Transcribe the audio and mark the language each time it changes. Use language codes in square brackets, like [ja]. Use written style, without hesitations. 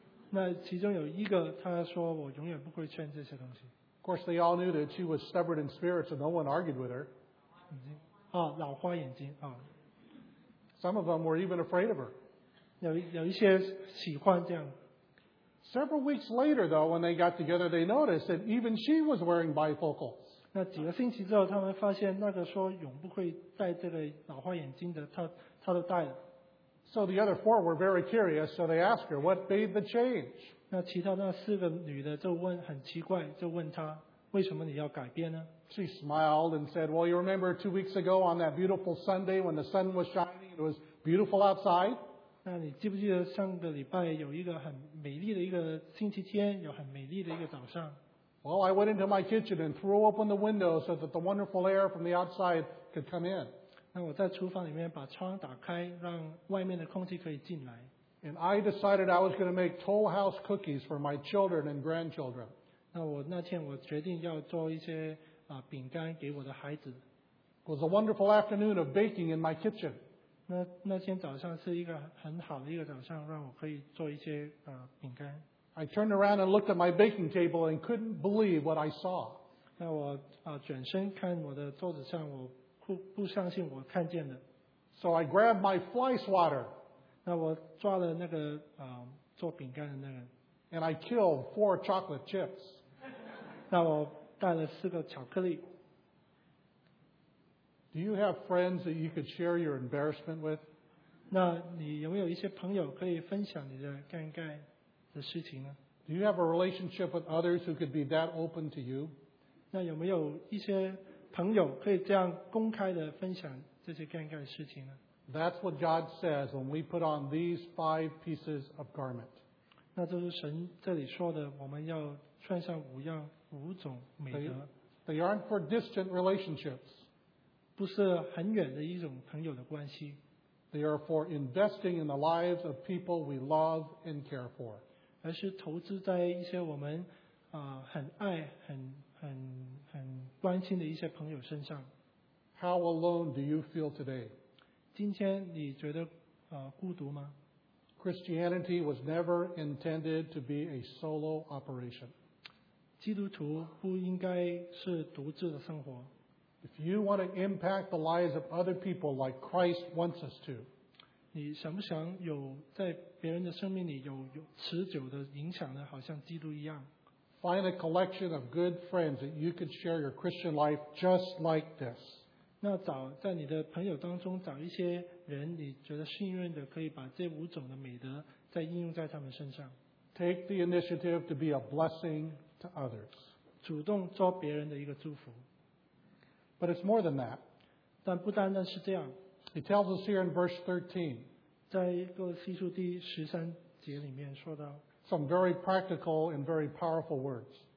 [zh] 那其中有一个她说我永远不会穿这些东西。 [en] Of course, they all knew that she was stubborn in spirit, so no one argued with her. [zh] 老花眼睛。 [en] Some of them were even afraid of her. [zh] 有一些喜欢这样。 [en] Several weeks later, though, when they got together, they noticed that even she was wearing bifocals. [zh] 那几个星期之后，他们发现那个说永不会戴这个老花眼镜的，他都戴了。 [en] So the other four were very curious, so they asked her, "What made the change?" [zh] 那其他那四个女的就问，很奇怪，就问她，为什么你要改变呢？ [en] She smiled and said, "Well, you remember 2 weeks ago on that beautiful Sunday when the sun was shining, it was beautiful outside." [zh] 那你记不记得上个礼拜有一个很美丽的一个星期天，有很美丽的一个早上。 [en] Well, I went into my kitchen and threw open the window so that the wonderful air from the outside could come in. [zh] 那我在厨房里面把窗打开，让外面的空气可以进来。 [en] And I decided I was going to make Toll House cookies for my children and grandchildren. [zh] 那我那天我决定要做一些饼干给我的孩子。 [en] It was a wonderful afternoon of baking in my kitchen. [zh] 那天早上是一个很好的一个早上，让我可以做一些饼干。 [en] I turned around and looked at my baking table and couldn't believe what I saw. [zh] 那我转身看我的桌子上，我不相信我看见的。 [en] So I grabbed my fly swatter. [zh] 那我抓了那个做饼干的那个。 [en] And I killed four chocolate chips. [zh] 那我带了四个巧克力。 [en] Do you have friends that you could share your embarrassment with? [zh] 那你有没有一些朋友可以分享你的尴尬的事情呢？ [en] Do you have a relationship with others who could be that open to you? [zh] 那有没有一些朋友可以这样公开的分享这些尴尬的事情呢？ [en] That's what God says when we put on these five pieces of garment. [zh] 那就是神这里说的，我们要穿上五样五种美德。 [en] They aren't for distant relationships. [zh] 不是很远的一种朋友的关系。 [en] They are for investing in the lives of people we love and care for. [zh] 而是投资在一些我们很爱、很关心的一些朋友身上。 [en] How alone do you feel today? [zh] 今天你觉得孤独吗？ [en] Christianity was never intended to be a solo operation. [zh] 基督徒不应该是独自的生活。 [en] If you want to impact the lives of other people like Christ wants us to, [zh] 你想不想有在别人的生命里有持久的影响呢？好像基督一样。 [en] Find a collection of good friends that you can share your Christian life just like this. [zh] 那找在你的朋友当中找一些人你觉得信任的可以把这五种的美德再应用在他们身上。 [en] Take the initiative to be a blessing to others. [zh] 主动做别人的一个祝福。 [en] But it's more than that. [zh] 但不单单是这样。 [en] He tells us here in verse 13. [zh] 在哥罗西书第十三节里面说到。 [en] Some very practical and very powerful words.